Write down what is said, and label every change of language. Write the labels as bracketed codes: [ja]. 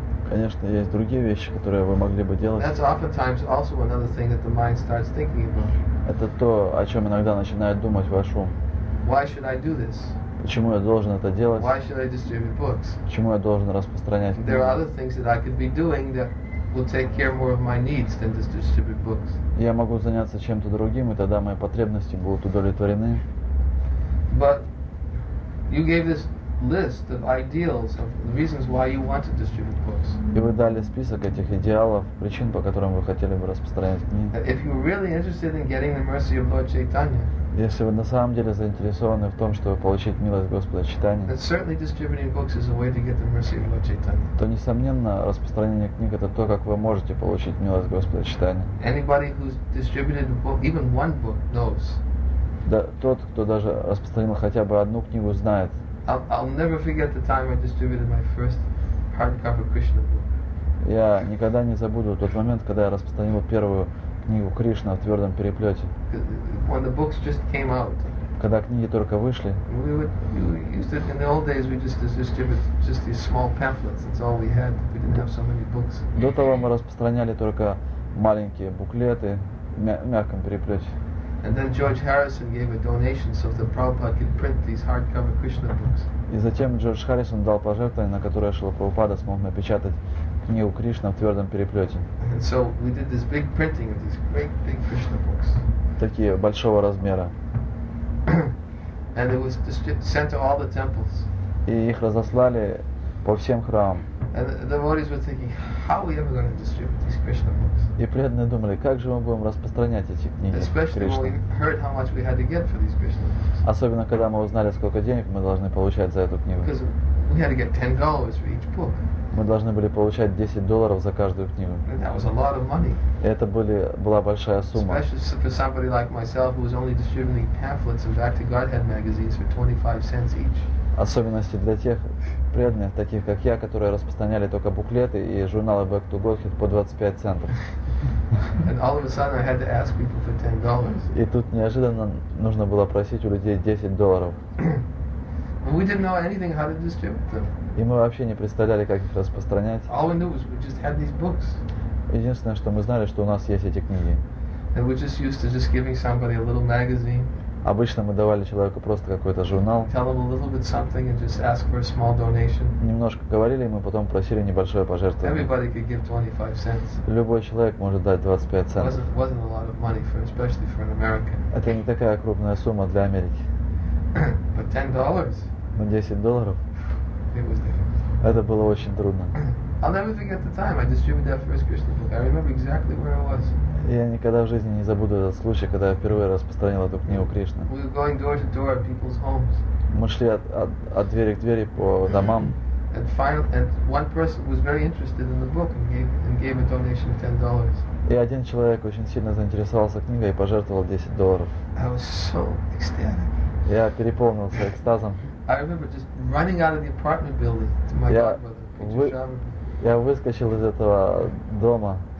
[ru] Конечно, есть другие вещи, которые вы могли бы делать. [en] That's oftentimes also another thing that the mind starts thinking about. [ru] Это то, о чем иногда начинает думать ваш ум. [en] Why should I do this? [ru] Почему я должен это делать? [en] Why should I distribute books? [ru] Почему я должен распространять? [en] There are other things that I could be doing that will take care more of my needs than just distribute books. [ru] Я могу заняться чем-то другим, и тогда мои потребности будут удовлетворены. [en] But you gave this list of ideals of the reasons why you want to distribute books. [ru] И вы дали список этих идеалов, причин, по которым вы хотели бы распространять книги. [en] If you're really interested in getting the mercy of Lord Chaitanya, [ru] если вы на самом деле заинтересованы в том, чтобы получить милость Господа Чайтаньи, [en] then certainly distributing books is a way to get the mercy of Lord Chaitanya. [ru] То несомненно распространение книг это то, как вы можете получить милость Господа Чайтаньи. [en] Anybody who's distributed a book, even one book, knows. [ru] Да, тот, кто даже распространил хотя бы одну книгу, знает. [en] I'll never forget the time I distributed my first hardcover Krishna book. [ru] Я никогда не забуду тот момент, когда я распространил первую книгу Кришна в твердом переплете. [en] When the books just came out. [ru] Когда книги только вышли. [en] In the old days we just distributed just these small pamphlets. That's all we had. We didn't have so many books. [ru] До того мы распространяли только маленькие буклеты в мягком переплете. [en] And then George Harrison gave a donation so that Prabhupada could print these hardcover Krishna books. [ru] И затем Джордж Харрисон дал пожертвование, на которое Шрила Прабхупада смог напечатать книгу Кришна в твердом переплете. [en] And so we did this big printing of these great big Krishna books. [ru] Такие большого размера. [en] And it was sent to all the temples. [ru] И их разослали по всем храмам. [en] And the devotees were thinking, how are we ever going to distribute these Krishna books? [ru] И преданные думали, как же мы будем распространять эти книги Кришны? [en] Especially when we heard how much we had to get for these Krishna books. [ru] Особенно когда мы узнали, сколько денег мы должны получать за эту книгу. [en] Because we had to get $10 for each book. [ru] Мы должны были получать $10 за каждую книгу. [en] And that was a lot of money. [ru] И это была большая сумма. [en] Especially for somebody like myself, who was only distributing pamphlets and Back to Godhead magazines for 25 cents each. [ru] Особенности для тех преданных, таких как я, которые распространяли только буклеты и журналы Back to Godhead по 25 центов. [en] And all of a sudden I had to ask people for $10. [ru] И тут неожиданно нужно было просить у людей $10. [en] We didn't know anything how to distribute them. [ru] И мы вообще не представляли, как их распространять. [en] All we knew was we just had these books. [ru] Единственное, что мы знали, что у нас есть эти книги. [en] And we're just used to just giving somebody a little magazine. [ru] Обычно мы давали человеку просто какой-то журнал. [en] Tell him a little bit something and just ask for a small donation. [ru] Немножко говорили, и мы потом просили небольшое пожертвование. [en] Everybody could give 25 cents. [ru] Любой человек может дать 25 центов. [en] Wasn't a lot of money for, especially for an American. [ru] Это не такая крупная сумма для Америки. [en] But $10. [ru] Но $10. [en] It was difficult. [ru] Это было очень трудно. [en] I'll never forget the time I distributed that first Krishna book. I remember exactly where I was. [ru] Я никогда в жизни не забуду этот случай, когда я впервые распространил эту книгу Кришны. [en] We were going door to door at people's homes. [ru] Мы шли от двери к двери по домам. [en] And one person was very interested in the book and gave a donation of $10. [ru] И один человек очень сильно заинтересовался книгой и пожертвовал $10. [en] I was so ecstatic. [ru] Я переполнился экстазом. [en] I remember just running out of the apartment building to my godmother. [ru] Я выскочил из этого дома.